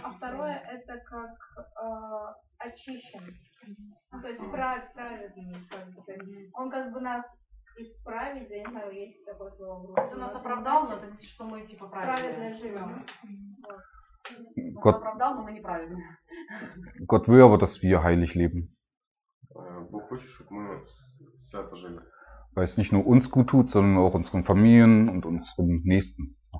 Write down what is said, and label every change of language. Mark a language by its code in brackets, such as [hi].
[ru] А второе, это как очищен. Ну, то есть праведный. Он как бы нас исправит, я не знаю, есть такое слово. То есть он нас оправдал, но это значит, что мы типа праведные. Праведно живем. Он оправдал, но мы неправедные. [de] Gott will aber, dass wir heilig leben. [ru] Бог хочет, чтобы мы свято жили. [de] Weil es nicht nur uns gut tut, sondern auch unseren Familien und unseren Nächsten.